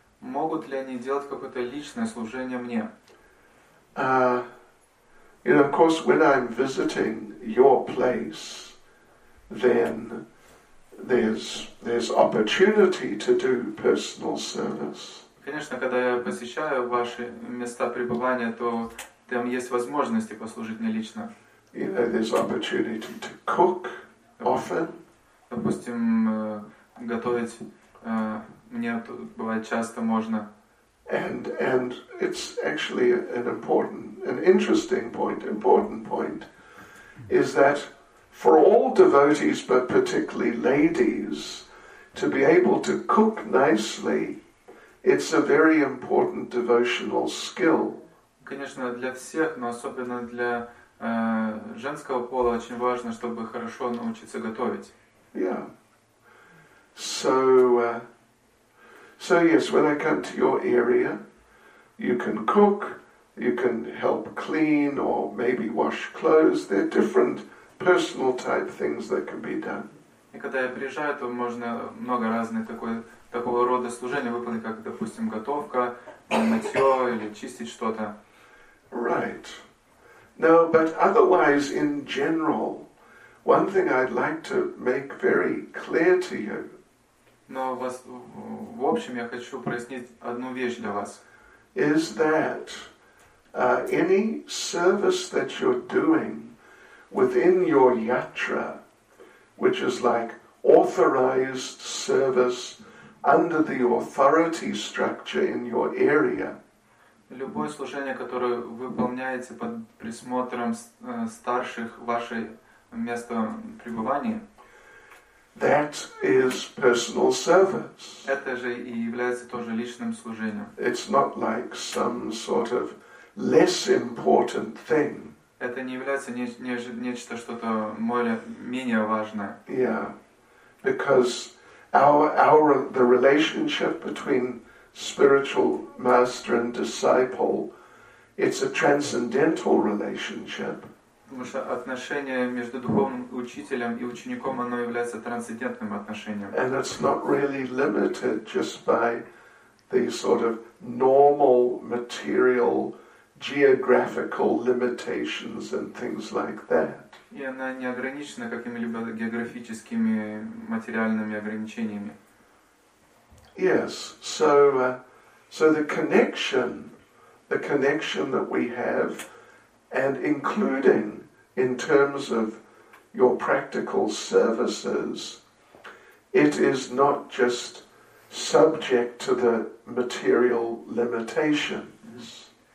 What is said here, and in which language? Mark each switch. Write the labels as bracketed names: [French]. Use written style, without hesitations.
[Russian] могут ли они делать какое-то личное служение мне? [English] You know, of course, when I'm visiting your place, then there's opportunity to do personal service. [Russian] Конечно, когда я посещаю ваши места пребывания, то там есть возможности послужить мне лично. [English] You know, there's opportunity to cook often. [Russian] Допустим, готовить мне бывает часто можно. [English] And it's actually an interesting point, is that for all devotees, but particularly ladies, to be able to cook nicely, it's a very important devotional skill. [Russian] Конечно, для всех, но особенно для женского пола очень важно, чтобы хорошо научиться готовить. [English] Yeah. So yes, when I come to your area, you can cook, you can help clean or maybe wash clothes. There are different personal type things that can be done. [Russian] И когда я приезжаю, то можно много разных такого рода служений выполнить, как, допустим, готовка, мытье или чистить что-то. [English] Right. No, but otherwise, in general, one thing I'd like to make very clear to you. [Russian] Но в общем я хочу прояснить одну вещь для вас. [English] Is that any service that you're doing within your yatra, which is like authorized service under the authority structure in your area? [Russian] Любое служение, которое вы выполняете под присмотром старших вашего места пребывания, [English] that is personal service. [Russian] Это же и является тоже личным служением. [English] It's not like some sort of less important thing. [Russian] Это не является нечто что-то менее важное. [English] Yeah, because our the relationship between spiritual master and disciple, it's a transcendental relationship. [Russian] Потому что отношение между духовным учителем и учеником, оно является трансцендентным отношением. [English] And it's not really limited just by the sort of normal material geographical limitations and things like that. [Russian] И она не ограничена какими-либо географическими материальными ограничениями. [English] Yes, so the connection that we have, and including in terms of your practical services, it is not just subject to the material limitations.